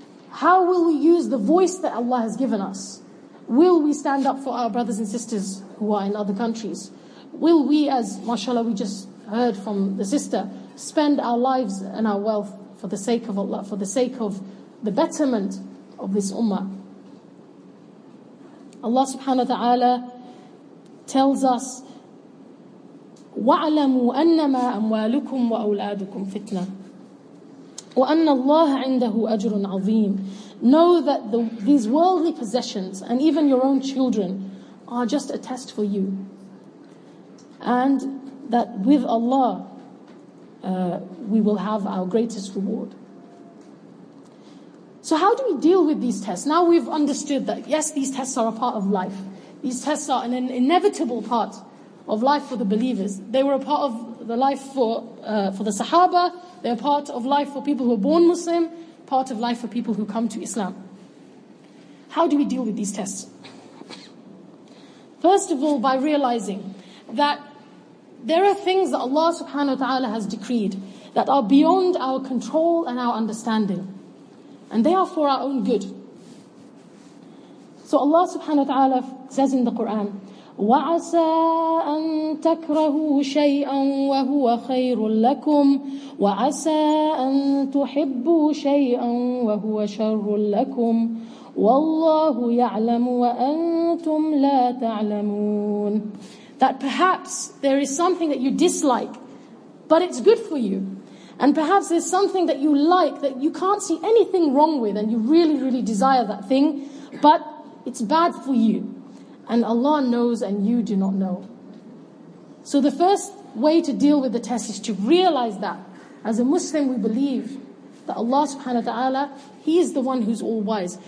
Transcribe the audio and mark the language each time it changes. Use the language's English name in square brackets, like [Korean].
[English] How will we use the voice that Allah has given us? Will we stand up for our brothers and sisters who are in other countries? Will we, as mashallah we just heard from the sister, spend our lives and our wealth for the sake of Allah, for the sake of the betterment of this ummah? Allah subhanahu wa ta'ala tells us, [Arabic] وَعَلَمُوا أَنَّمَا أَمْوَالُكُمْ وَأَوْلَادُكُمْ فِتْنَةً وَأَنَّ اللَّهَ عِنْدَهُ أَجْرٌ عَظِيمٌ. [English] Know that these worldly possessions and even your own children are just a test for you. And that with Allah, we will have our greatest reward. So how do we deal with these tests? Now we've understood that, yes, these tests are a part of life. These tests are an inevitable part of life for the believers. They were a part of the life for the Sahaba. They're part of life for people who are born Muslim, part of life for people who come to Islam. How do we deal with these tests? First of all, by realizing that there are things that Allah subhanahu wa ta'ala has decreed that are beyond our control and our understanding. And they are for our own good. So Allah subhanahu wa ta'ala says in the Quran, [Arabic] وَعَسَىٰ أَن تَكْرَهُوا شَيْئًا وَهُوَ خَيْرٌ لَكُمْ وَعَسَىٰ أَن تُحِبُّوا شَيْئًا وَهُوَ شَرٌ لَكُمْ وَاللَّهُ يَعْلَمُ وَأَنْتُمْ لَا تَعْلَمُونَ. [English] That perhaps there is something that you dislike, but it's good for you. And perhaps there's something that you like that you can't see anything wrong with and you really, really desire that thing, but it's bad for you. And Allah knows and you do not know. So the first way to deal with the test is to realize that as a Muslim we believe that Allah subhanahu wa ta'ala, He is the one who's all wise.